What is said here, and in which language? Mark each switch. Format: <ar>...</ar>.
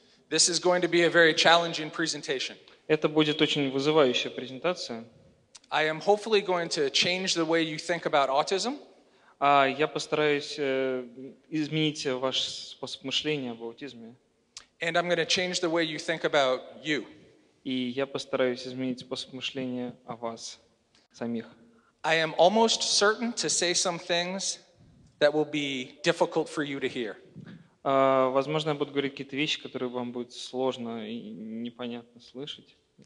<en>This is going to be a very challenging presentation.</en> <ru>Это будет очень вызывающая презентация.</ru> <en>I am hopefully going to change the way you think about autism.</en> <ru>Я постараюсь изменить ваш способ мышления об аутизме.</ru> <en>And I'm going to change the way you think about you.</en> <ru>И я постараюсь изменить способ мышления о вас самих.</ru> <en>I am almost certain to say some things that will be difficult for you to hear.</en> <ru>Возможно, я буду говорить какие-то вещи, которые вам будет сложно и непонятно слышать.</ru>